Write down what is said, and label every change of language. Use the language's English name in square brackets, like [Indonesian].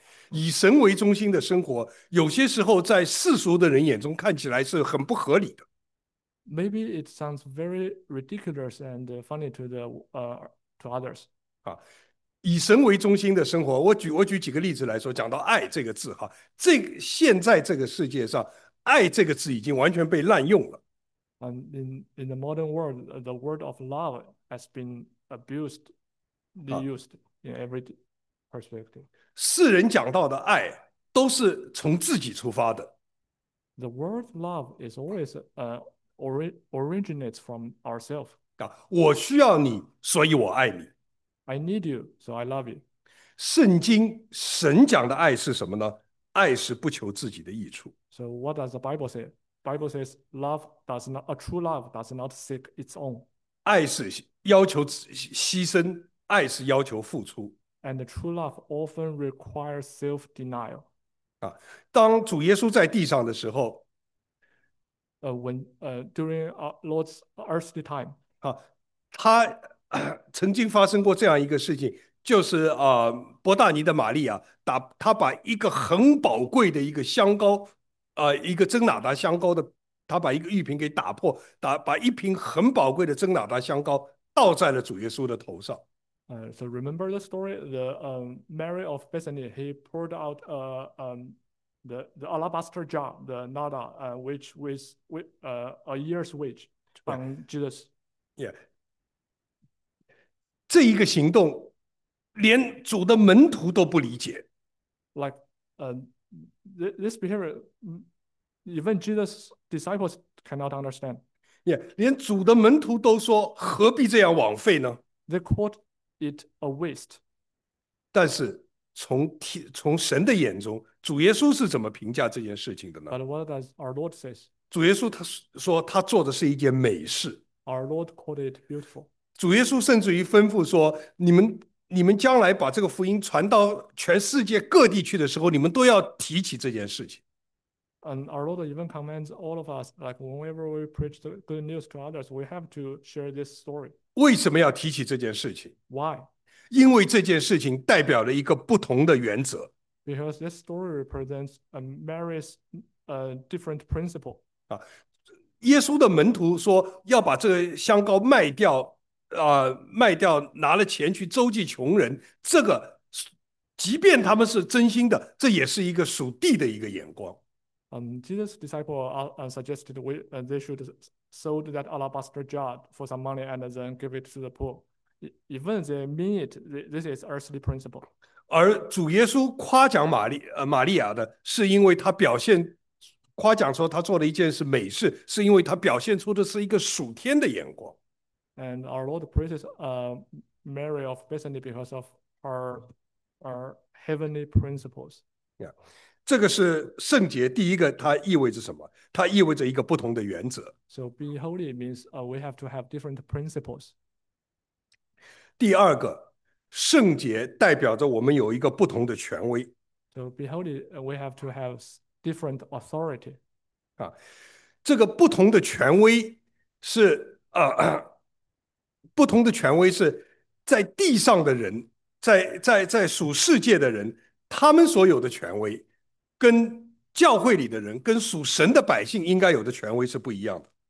[Chinese] 以神为中心的生活，有些时候在世俗的人眼中看起来是很不合理的。 [English] Maybe it sounds very ridiculous and funny to to others. [Chinese] 以神为中心的生活，我举几个例子来说，讲到爱这个字，现在这个世界上，爱这个字已经完全被滥用了。 [English] In the modern world, the word of love has been abused, used in every perspective. [Chinese] 世人讲到的爱，都是从自己出发的。 [English] The word love is always originates from ourselves. [Chinese] 我需要你，所以我爱你。 [English] I need you, so I love you. [Chinese] 圣经神讲的爱是什么呢？爱是不求自己的益处。 [English] So what does the Bible say? Bible says love does not a true love does not seek its own. [Chinese] 爱是要求牺牲，爱是要求付出。 [English] And the true love often requires self-denial. [Chinese] 当主耶稣在地上的时候， [English] During our Lord's earthly time. [Chinese] 他曾经发生过这样一个事情，就是伯大尼的玛利亚，他把一个很宝贵的一个香膏，一个真拿达香膏的，他把一个玉瓶给打破，把一瓶很宝贵的真拿达香膏倒在了主耶稣的头上。 [English] So remember the story, Mary of Bethany. He poured out the alabaster jar, the nada, which was a year's wage on Jesus. [Chinese] Yeah，这一个行动，连主的门徒都不理解。 [English] Like this behavior, even Jesus' disciples cannot understand. [Chinese] Yeah，连主的门徒都说：“何必这样枉费呢 [English] They quote. It a waste. ？” [Chinese] 但是从神的眼中，主耶稣是怎么评价这件事情的呢？ [English] But what does our Lord say? [Chinese] 主耶稣他说他做的是一件美事。 [English] Our Lord called it beautiful. [Chinese] 主耶稣甚至于吩咐说：“你们将来把这个福音传到全世界各地去的时候，你们都要提起这件事情。 [English] And our Lord even commands all of us, like whenever we preach the good news to others, we have to share this story. [Chinese] ”为什么要提起这件事情？ [English] Why? [Chinese] 因为这件事情代表了一个不同的原则。 [English] Because this story represents a Mary's different principle. [Chinese] 啊，耶稣的门徒说要把这个香膏卖掉，啊，卖掉拿了钱去周济穷人。这个，即便他们是真心的，这也是一个属地的一个眼光。 [English] Jesus' disciple suggested they should sold that alabaster jar for some money and then give it to the poor. Even they mean it, this is earthly principle. [Chinese] 而主耶稣夸奖玛利亚的，是因为他表现夸奖说他做了一件是美事，是因为他表现出的是一个属天的眼光。 [English] And our Lord praises Mary of Bethany because of her heavenly principles. Yeah. [Chinese] 这个是圣洁，第一个它意味着什么？它意味着一个不同的原则。 [English] So being holy means we have to have different principles. [Chinese] 第二个，圣洁代表着我们有一个不同的权威。 [English] So being holy, we have to have different authority. [Chinese] 啊，这个不同的权威是不同的权威是在地上的人，在属世界的人，他们所有的权威，跟教会里的人，跟属神的百姓应该有的权威是不一样的。